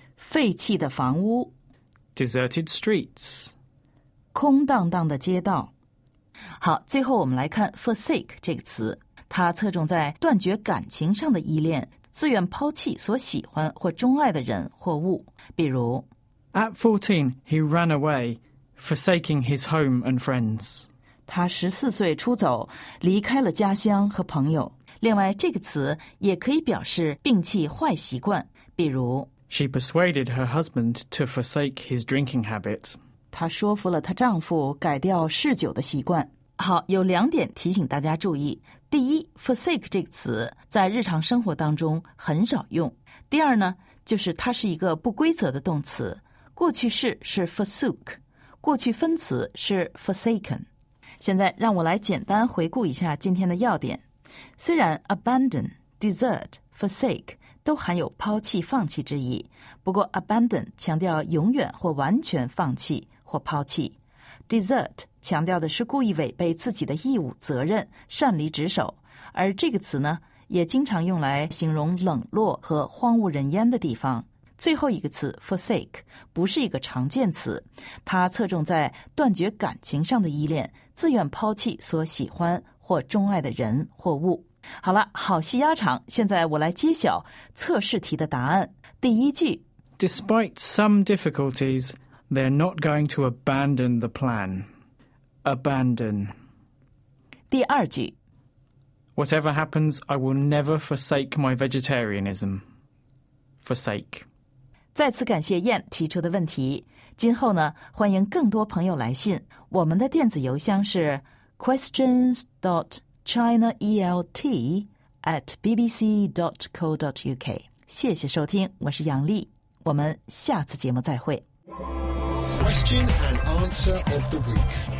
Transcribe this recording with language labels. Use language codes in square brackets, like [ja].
[zh] 废弃的房屋 [en] Deserted streets [zh] 空荡荡的街道。好，最后我们来看 forsake 这个词，它侧重在断绝感情上的依恋，自愿抛弃所喜欢或钟爱的人或物。比如 [en] At 14 he ran away, forsaking his home and friends. [zh] 他14岁出走，离开了家乡和朋友。另外这个词也可以表示摒弃坏习惯，比如 [en] She persuaded her husband to forsake his drinking habit. [zh] 她说服了她丈夫改掉嗜酒的习惯。好，有两点提醒大家注意。第一， forsake 这个词在日常生活当中很少用。第二呢，就是它是一个不规则的动词，过去式是 forsook， 过去分词是 forsaken。现在让我来简单回顾一下今天的要点。虽然 abandon, desert, forsake 都含有抛弃、放弃之意，不过 abandon 强调永远或完全放弃或抛弃， desert 强调的是故意违背自己的义务责任，擅离职守。而这个词呢，也经常用来形容冷落和荒无人烟的地方。最后一个词 forsake 不是一个常见词，它侧重在断绝感情上的依恋，自愿抛弃所喜欢或钟爱的人或物。好了，好戏压场，现在我来揭晓测试题的答案。第一句 [en] Despite some difficulties, they're not going to abandon the plan. Abandon. [zh] 第二句 [en] Whatever happens, I will never forsake my vegetarianism. Forsake. [zh] 再次感谢燕提出的问题，今后呢，欢迎更多朋友来信，我们的电子邮箱是questions.chinaelt@bbc.co.uk。谢谢收听，我是杨丽，我们下次节目再会。 [en] Question and answer of the week